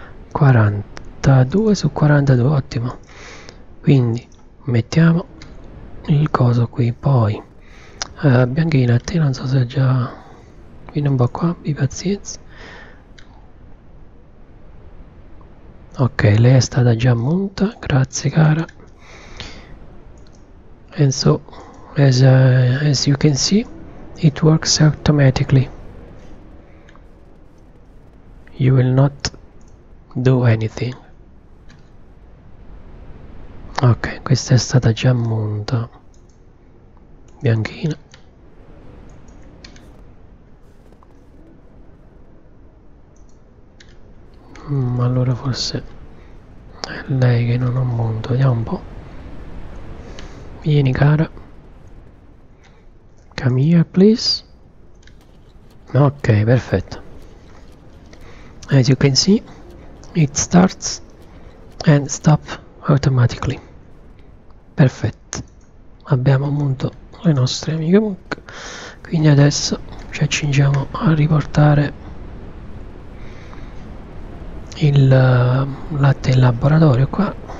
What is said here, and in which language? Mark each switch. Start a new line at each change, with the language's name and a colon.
Italian: 42 su 42, ottimo. Quindi mettiamo il coso qui. Poi bianchina, a te non so se è già. Vieni un po' qua, abbi pazienza. Ok, lei è stata già munta, grazie cara.
English: And so, as you can see, it works automatically. You will not do anything.
Italian: Ok, questa è stata già munta. Bianchina. Allora forse lei che non ho monto, vediamo un po'. Vieni cara.
English: Come here, please.
Italian: Ok, perfetto.
English: As you can see, it starts and stops automatically.
Italian: Perfetto. Abbiamo monto le nostre amiche. Quindi adesso ci accingiamo a riportare il latte in laboratorio qua.